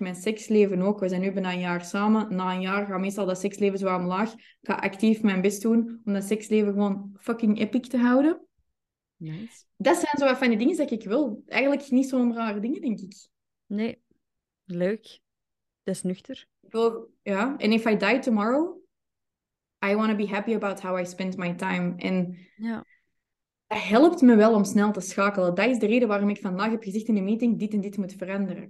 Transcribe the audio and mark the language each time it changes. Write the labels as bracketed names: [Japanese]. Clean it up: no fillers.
[Dutch] Mijn seksleven ook. We zijn nu bijna een jaar samen. Na een jaar gaat meestal dat seksleven zo omlaag. Ik ga actief mijn best doen om dat seksleven gewoon fucking epic te houden. [English] Nice. [Dutch] Dat zijn zo wat van die dingen die ik wil. Eigenlijk niet zo'n rare dingen, denk ik. Nee. Leuk. Dat is nuchter. Ja. [English] En if I die tomorrow, I want to be happy about how I spend my time. [Dutch] En ja. Dat helpt me wel om snel te schakelen. Dat is de reden waarom ik vandaag heb gezegd in de meeting dit en dit moet veranderen.